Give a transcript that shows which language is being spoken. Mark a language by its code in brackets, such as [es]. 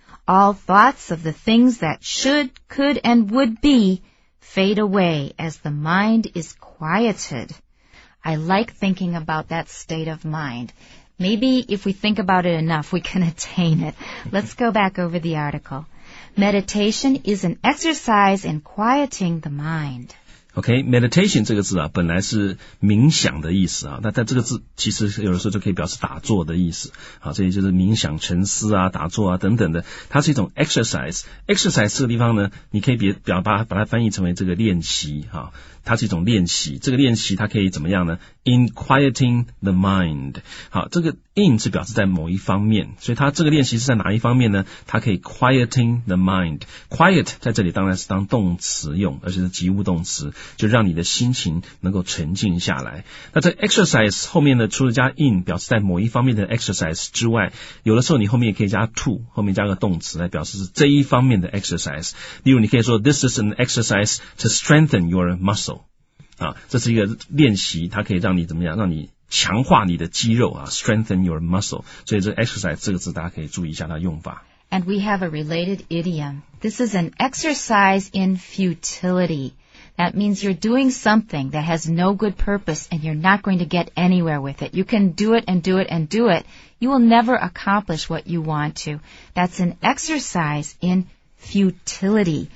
[en] All thoughts of the things that should, could, and would be fade away as the mind is quieted. I like thinking about that state of mind. Maybe if we think about it enough, we can attain it. Let's go back over the article. Meditation is an exercise in quieting the mind. [zh] OK, meditation 这个字啊本来是冥想的意思啊，那在这个字其实有的时候就可以表示打坐的意思啊，这也就是冥想沉思啊打坐啊等等的，它是一种 exercise 这个地方呢，你可以把它翻译成为这个练习啊，它是一种练习，这个练习它可以怎么样呢？ [en] In quieting the mind. [zh] 好，这个 in 是表示在某一方面，所以它这个练习是在哪一方面呢？它可以 [en] quieting the mind. [zh] Quiet 在这里当然是当动词用，而且是及物动词，就让你的心情能够沉静下来。那这 exercise 后面呢，除了加 in 表示在某一方面的 exercise 之外，有的时候你后面也可以加 to， 后面加个动词来表示是这一方面的 exercise。例如你可以说 [en] This is an exercise to strengthen your muscle. [zh] 啊，这是一个练习，它可以让你怎么样？让你强化你的肌肉啊 ， [en] strengthen your muscle。 [zh] 所以这 exercise 这个字大家可以注意一下它用法。 [en] And we have a related idiom. This is an exercise in futility. That means you're doing something that has no good purpose, and you're not going to get anywhere with it. You can do it and do it and do it. You will never accomplish what you want to. That's an exercise in. Futility.